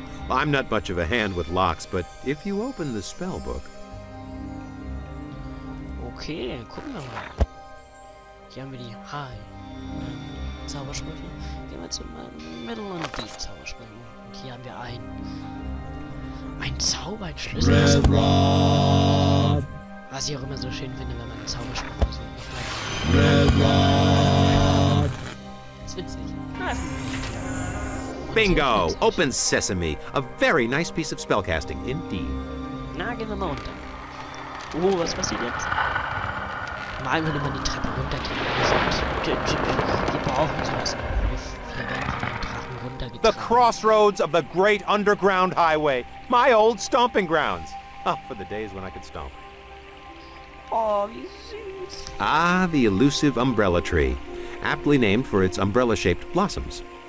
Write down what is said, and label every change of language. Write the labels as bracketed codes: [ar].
[en] I'm not much of a hand with locks, but if you open the spell book. [de] Okay, gucken wir mal. Hier haben wir die High Zaubersprüche. Gehen wir zum Middle und Deep Zaubersprüche. Und hier haben wir ein Zauberschlüssel. [en] Red Rock. [de] Was ich auch immer so schön finde, wenn man einen Zauberspruch hat. [en] Red Rock. [de] Das ist witzig. [en] Bingo! Open Sesame! A very nice piece of spellcasting, indeed. [de] Na, gehen wir mal runter. Oh, was passiert jetzt? Mal würde man die Treppe runtergehen. Wir brauchen sowas. Wir werden von den Drachen runtergezogen. [en] The crossroads of the great underground highway. My old stomping grounds. Oh, for the days when I could stomp. [de] Oh, wie süß. [en] Ah, the elusive umbrella tree. Aptly named for its umbrella-shaped blossoms.